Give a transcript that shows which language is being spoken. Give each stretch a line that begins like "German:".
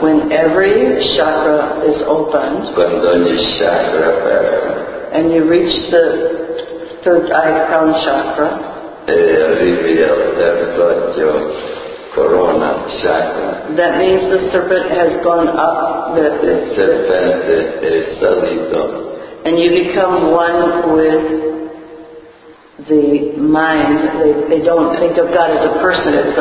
English: when every chakra is opened.
Italian: Quando ogni chakra aperto.
English: And you reach the third eye crown chakra.
Italian: E arrivi al terzo occhio, corona chakra.
English: That means the serpent has gone up.
Italian: Il serpente è salito.
English: And you become one with the mind. They don't think of God as a person.